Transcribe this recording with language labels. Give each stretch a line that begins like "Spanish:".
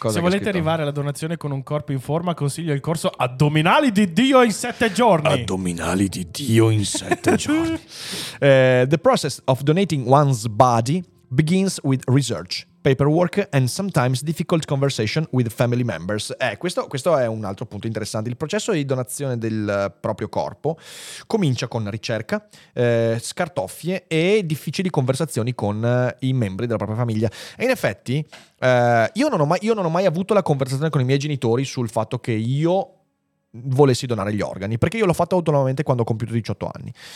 Italian: Se volete arrivare alla donazione con un corpo in forma, consiglio il corso Addominali di Dio in 7 giorni. Addominali di Dio in 7 giorni.
English: The process of donating one's body begins with research, paperwork and sometimes difficult conversation with family members.
Italian: Questo è un altro punto interessante. Il processo di donazione del proprio corpo comincia con ricerca, scartoffie e difficili conversazioni con i membri della propria famiglia. E in effetti io non ho mai avuto la conversazione con i miei genitori sul fatto che io volessi donare gli organi, perché io l'ho fatto autonomamente quando ho compiuto 18 anni.